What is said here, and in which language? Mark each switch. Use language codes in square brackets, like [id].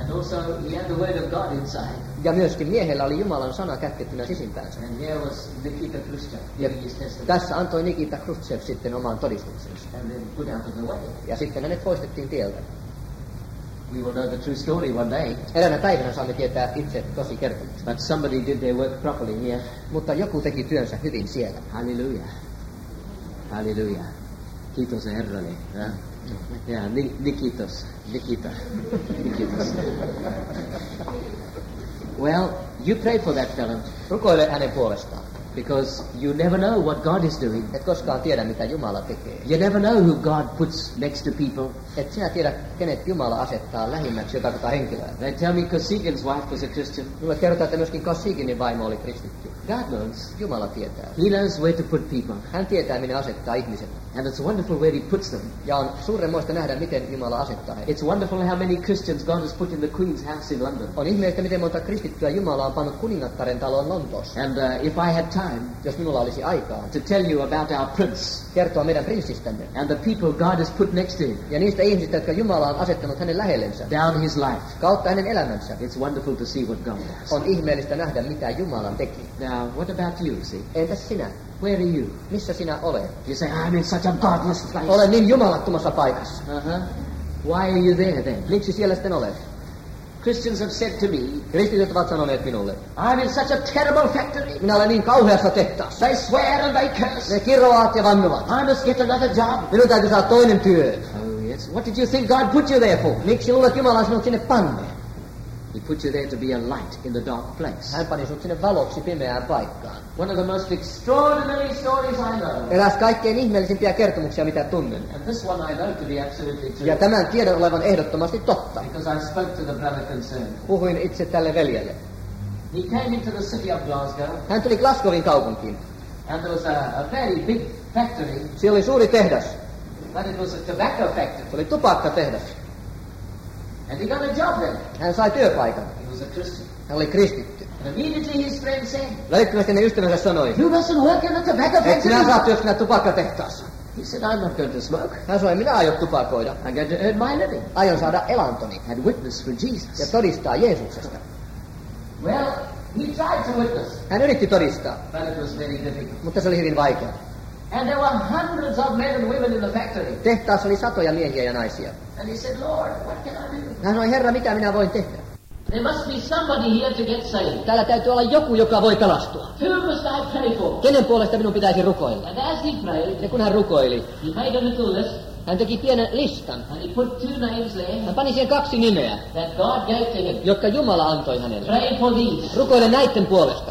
[en] And also he had the word of God inside. [fi] Ja myöskin miehellä oli Jumalan sana kätkettynä sisimpäänsä. [en] And here was Nikita Khrushchev giving his testimony. [fi] Tässä antoi Nikita Khrushchev sitten oman todistuksensa. [en] And then put out of the way. [fi] Ja sitten hänet poistettiin tieltä. [en] We will know the true story one day. [fi] Eräänä päivänä saamme tietää itse tosi kertomuksen. [en] But somebody did their work properly here. [fi] Mutta joku teki työnsä hyvin siellä. Hallelujah. Hallelujah. Kiitos Herralle. Ja Nikitos. Nikita. Nikitos. [en] Well, you pray for that fellow. [fi] Rukoile hänen puolestaan. [en] Because you never know what God is doing. [fi] Et koskaan tiedä, mitä Jumala tekee. [en] You never know who God puts next to people. [fi] Et sinä tiedä, kenet Jumala asettaa lähimmäksi jotakuta henkilöä. [en] They tell me Kosygin's wife was a Christian. [fi] Mulle kerrotaan, että myöskin Kosyginin vaimo oli kristitty. [en] God knows. [fi] Jumala tietää. [en] He knows where to put people. [fi] Hän tietää, minne asettaa ihmiset. [en] And it's wonderful where he puts them. [fi] Ja on suuremmoista nähdä, miten Jumala asettaa heitä. [en] It's wonderful how many Christians God has put in the Queen's house in London. [fi] On ihmeellistä, miten monta kristittyä Jumala on pannut kuningattaren taloon Lontoossa. [en] And if I had time, [fi] jos minulla olisi aikaa, [en] to tell you about our prince, [fi] kertoa meidän prinsistämme, [en] and the people God has put next to him, [fi] ja niistä ihmisistä, jotka Jumala on asettanut hänen lähellensä, [en] down his life, [fi] kautta hänen elämänsä, [en] it's wonderful to see what God does. [fi] On ihmeellistä nähdä, mitä Jumalan teki. [en] Now, what about you, see? [fi] Entäs sinä? [en] Where are you? [fi] Missä sinä olet? [en] You say, I'm in such a godless place. [fi] Olen niin jumalattomassa paikassa. [en] Why are you there then? [fi] Miksi siellä sitten olet? [en] Christians have said to me. [fi] Kristityt ovat sanoneet minulle. [en] I'm in such a terrible factory. [fi] Minä olen niin kauheassa tehtaassa. [en] They swear and they curse. [fi] Ne kiroavat ja vannovat. [en] I must get another job. [fi] Minun täytyy saada toinen työ. [en] Oh yes. What did you think God put you there for? [fi] Miksi luulet Jumala sinut sinne panne? [en] He put you there to be a light in the dark place. [fi] Hän pani sinut sinne valoksi pimeään paikkaan. [en] One of the most extraordinary stories I know. [fi] Eräs kaikkein ihmeellisimpiä kertomuksia, mitä tunnen. [en] And this one I know to be absolutely true. [fi] Ja tämän tiedon olevan ehdottomasti totta. [en] Because I spoke to the brother concerned. [fi] Puhuin itse tälle veljelle. [en] He came into the city of Glasgow. [fi] Hän tuli Glasgowin kaupunkiin. [en] And there was a very big factory. [fi] Siellä oli suuri tehdas. [en] But it was a tobacco factory. [fi] Oli tupakkatehdas. [en] And he got a job there. [fi] Hän sai työpaikan. [en] He was a Christian. [fi] Hän oli kristitty. [en] Immediately his friend said, [fi] "Lähetkö sinä sanoi? [en] You mustn't work in the tobacco factory. [fi] Et sinä saa työskennä tupakkatehtaassa. [en] He said, "I'm not going to smoke. [fi] Hän sanoi, minä aion tupakoida. [en] I'm going to earn my living. [fi] Aion saada elantoni. [en] And witness for Jesus. [fi] Ja todistaa Jeesuksesta. [en] Well, he tried to witness. [fi] Hän yritti todistaa. [en] But it was very difficult. [fi] Mutta se oli hyvin vaikeaa. [en] And there were hundreds of men and women in the factory. [fi] Tehtaassa oli satoja miehiä ja naisia. [en] And he said, Lord, what can I do? [fi] Hän sanoi, Herra, mitä minä voin tehdä? [en] There must be somebody here to get saved. [fi] Täällä täytyy olla joku, joka voi pelastua. [en] Who must I pray for? [fi] Kenen puolesta minun pitäisi rukoilla? [en] And as he prayed, [fi] ja kun hän rukoili, [en] he made a little list. [fi] Hän teki pienen listan. [en] And he put two names there. [fi] Hän pani siihen kaksi nimeä, [en] that God gave to him, [fi] jotka Jumala antoi hänelle. [en] Pray for these. [fi] Rukoile näiden puolesta.